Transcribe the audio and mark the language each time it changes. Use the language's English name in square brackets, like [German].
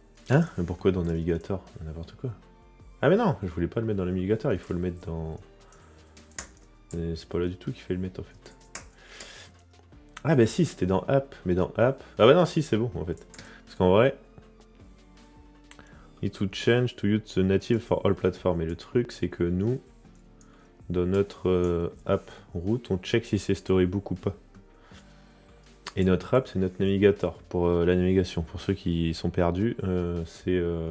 [French] Mais pourquoi dans navigateur? N'importe quoi. Ah mais non, je voulais pas le mettre dans le navigateur, il faut le mettre dans. C'est pas là du tout qui fait le mettre en fait. Ah bah si, c'était dans app, mais dans app. Ah bah non, si, c'est bon en fait. Parce qu'en vrai. [English] Need to change to use the native for all platforms. [French] Et le truc, c'est que nous, dans notre app route, on check si c'est storybook ou pas. Et notre app, c'est notre navigateur pour la navigation. Pour ceux qui sont perdus, c'est.